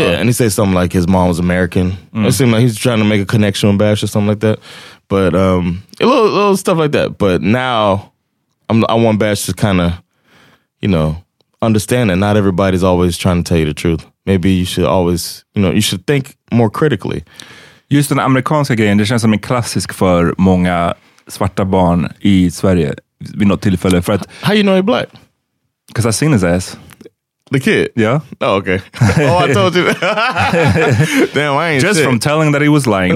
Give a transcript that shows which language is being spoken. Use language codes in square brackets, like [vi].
[en] Yeah, and he says something like his mom was American. Mm. It seemed like he's trying to make a connection with Bash or something like that. But a little stuff like that. But now, I want Bash to kind of, you know, understand that not everybody's always trying to tell you the truth. Maybe you should always, you know, you should think more critically. [sv] Just den amerikanska grejen, det känns som en klassisk för många svarta barn i Sverige vid något tillfälle. För att, [en] how you know he's black? Because I've seen his ass. The kid? Yeah. Oh, okay. Oh, I told you. Damn, I ain't just sick. From telling that he was lying.